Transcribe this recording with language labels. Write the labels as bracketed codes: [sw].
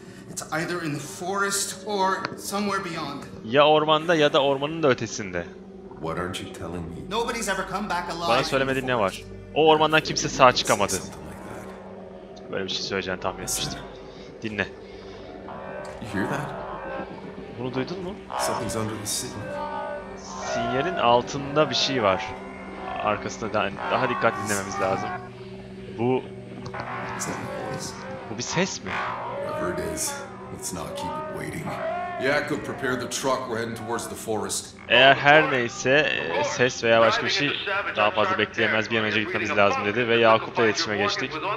[en] It's either in the forest or somewhere beyond. [tr] Ya ormanda ya da ormanın da ötesinde. [en] What aren't you telling me? Nobody's ever come back alive. [tr] Bana söylemediğin ne var? O ormandan kimse sağ çıkamadı. Böyle bir şey söyleyeceğini tahmin etmiştim. Dinle. [en] You hear that? [tr] Bunu duydun mu? [en] Something's under the signal. [tr] Sinyalin altında bir şey var. Arkasında daha dikkatli dinlememiz lazım. Bu. [en] Is that a voice? [tr] Bu bir ses mi? [en] Whatever it is, let's not keep it waiting. Yakup, prepare the truck. We're heading towards the forest. [tr] Eğer her neyse, ses veya başka bir şey daha fazla bekleyemez, bir an önce gitmemiz lazım dedi ve Yakup'la iletişime geçtik.